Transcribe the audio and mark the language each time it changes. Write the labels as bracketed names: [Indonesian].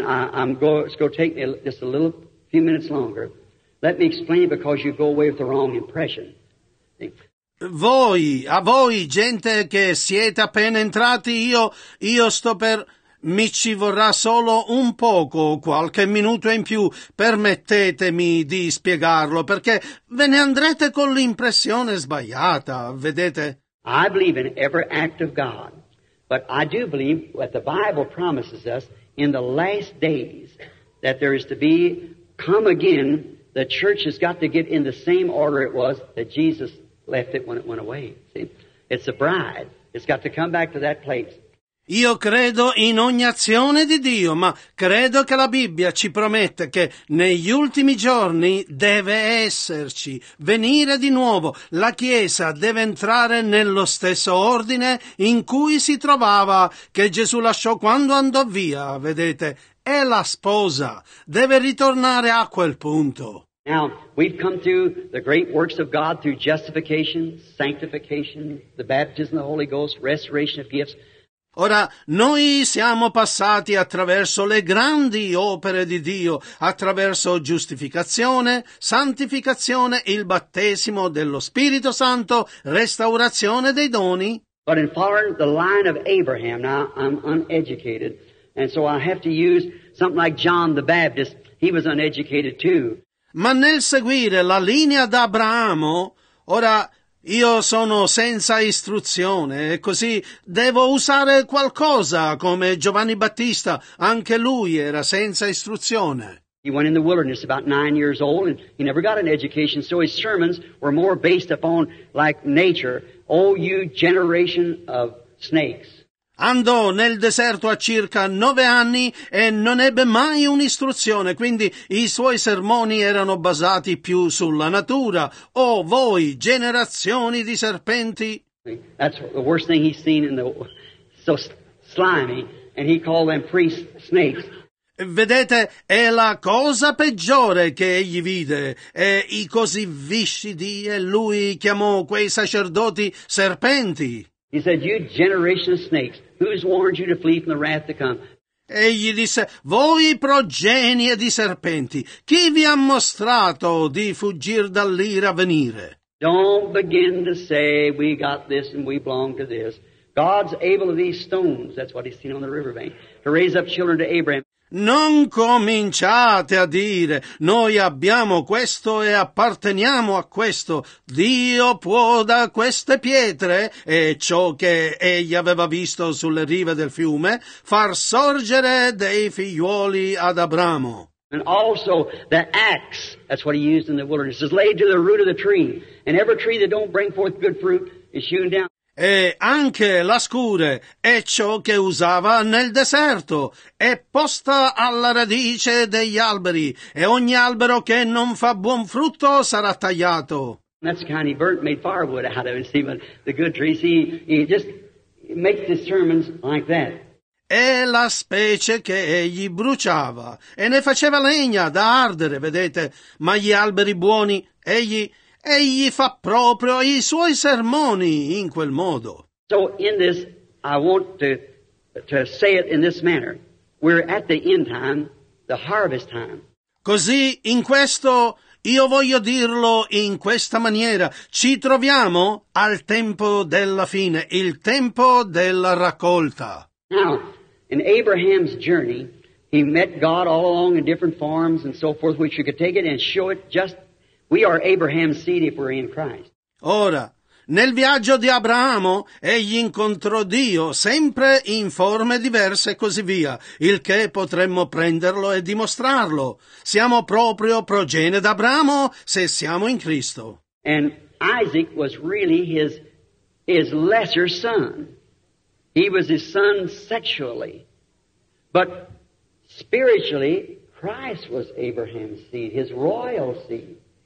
[English] It's going to take me just a little few minutes longer. Let me explain because you go away with the wrong impression. [Italian] Voi, a voi gente che siete appena entrati, io sto per. Mi ci vorrà solo un poco, qualche minuto in più. Permettetemi di spiegarlo perché ve ne andrete con l'impressione sbagliata, vedete? [English] I believe in every act of God. But I do believe what the Bible promises us in the last days that there is to be come again, the church has got to get in the same order it was that Jesus left it when it went away. See? It's a bride. It's got to come back to that place. [Italian] Io credo in ogni azione di Dio, ma credo che la Bibbia ci promette che negli ultimi giorni deve esserci, venire di nuovo. La Chiesa deve entrare nello stesso ordine in cui si trovava, che Gesù lasciò quando andò via, vedete? È la sposa, deve ritornare a quel punto. [English] Now, we've come through the great works of God through justification, sanctification, the baptism of the Holy Ghost, restoration of gifts. [Italian] Ora, noi siamo passati attraverso le grandi opere di Dio, attraverso giustificazione, santificazione, il battesimo dello Spirito Santo, restaurazione dei doni. [English] But in following the line of Abraham, now I'm uneducated, and so I have to use something like John the Baptist, he was uneducated too. [Italian] Ma nel seguire la linea d'Abramo, ora... Io sono senza istruzione e così devo usare qualcosa come Giovanni Battista. Anche lui era senza istruzione. [English] He went in the wilderness about 9 years old and he never got an education, so his sermons were more based upon like nature. Oh, you generation of snakes. [Italian] Andò nel deserto a circa 9 anni e non ebbe mai un'istruzione, quindi i suoi sermoni erano basati più sulla natura. Oh, voi, generazioni di serpenti! [English] That's the worst thing he's seen in the... so slimy, and he called them priests snakes. [Italian] Vedete, è la cosa peggiore che egli vide, e i così viscidi, e lui chiamò quei sacerdoti serpenti. [English] He said, you generation of snakes, who has warned you to flee from the wrath to come? [Italian] Egli disse, voi progenie di serpenti, chi vi ha mostrato di fuggir dall'ira venire? [English] Don't begin to say, we got this and we belong to this. God's able of these stones, that's what he's seen on the riverbank, to raise up children to Abraham. [Italian] Non cominciate a dire, noi abbiamo questo e apparteniamo a questo. Dio può da queste pietre, e ciò che egli aveva visto sulle rive del fiume, far sorgere dei figlioli ad Abramo. [English] And also the axe, that's what he used in the wilderness, is laid to the root of the tree. And every tree that don't bring forth good fruit is hewn down. [Italian] E anche la scure è ciò che usava nel deserto, è posta alla radice degli alberi, e ogni albero che non fa buon frutto sarà tagliato. [English] That's the kind he burnt, made firewood out of it. See, but the good trees, he just makes his sermons like that. [Italian] È la specie che egli bruciava e ne faceva legna da ardere, vedete, ma gli alberi buoni egli fa proprio i suoi sermoni in quel modo. [English] So in this, I want to say it in this manner. We're at the end time, the harvest time. [Italian] Così in questo, io voglio dirlo in questa maniera. Ci troviamo al tempo della fine, il tempo della raccolta. [English] Now, in Abraham's journey, he met God all along in different forms and so forth, which you could take it and show it just. We are Abraham's seed if we're in Christ. [Italian] Ora, nel viaggio di Abramo, egli incontrò Dio sempre in forme diverse e così via, il che potremmo prenderlo e dimostrarlo. Siamo proprio progenie d'Abramo se siamo in Cristo. [English] And Isaac was really his lesser son. He was his son sexually. But spiritually, Christ was Abraham's seed, his royal seed.